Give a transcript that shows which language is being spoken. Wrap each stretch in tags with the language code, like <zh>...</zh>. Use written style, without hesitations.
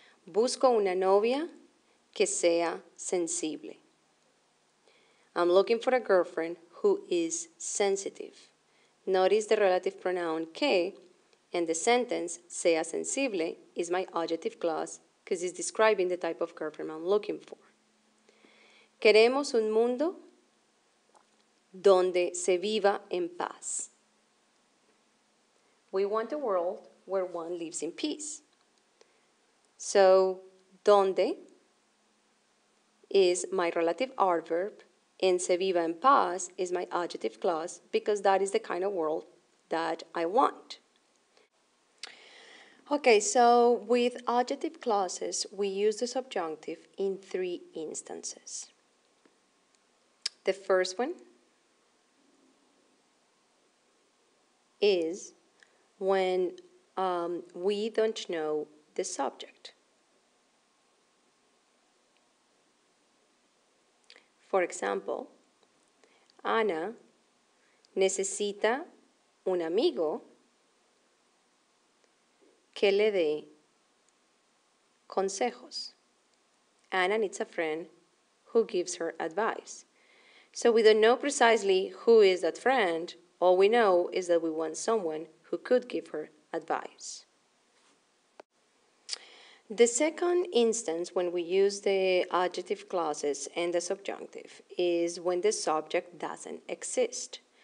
<es>Busco una novia que sea sensible.</es> <en>I'm looking for a girlfriend who is sensitive. Notice the relative pronoun que and the sentence</en> <es>sea sensible</es> <en>is my adjective clause because it's describing the type of girlfriend I'm looking for.</en> <es>Queremos un mundo donde se viva en paz.</es> <en>We want a world where one lives in peace. So, donde is my relative adverb, and</en> <es>se viva en paz</es> <en>is my adjective clause because that is the kind of world that I want. Okay, so with adjective clauses, we use the subjunctive in three instances. The first one is when we don't know the subject. For example,</en> <es>Ana necesita un amigo que le dé consejos.</es> <en>Ana needs a friend who gives her advice. So we don't know precisely who is that friend. All we know is that we want someone who could give her advice. The second instance when we use the adjective clauses and the subjunctive is when the subject doesn't exist.</en>